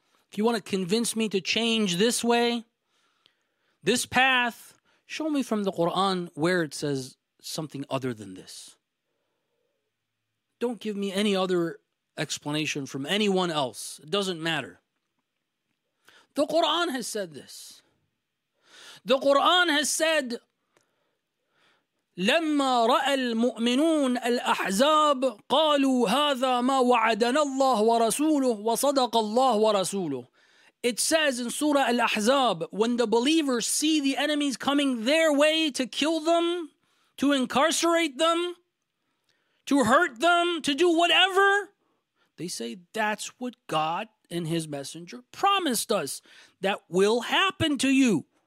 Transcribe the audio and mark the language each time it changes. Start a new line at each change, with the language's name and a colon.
English: If you want to convince me to change this way, this path, show me from the Quran where it says something other than this. Don't give me any other explanation from anyone else. It doesn't matter. The Quran has said this. The Quran has said,
Arabic: لما رأى المؤمنون الأحزاب قالوا هذا ما وعدنا الله ورسوله وصدق الله ورسوله.
English: It says in Surah Al-Ahzab, when the believers see the enemies coming their way to kill them, to incarcerate them, to hurt them, to do whatever, they say that's what God and His Messenger promised us that will happen to you.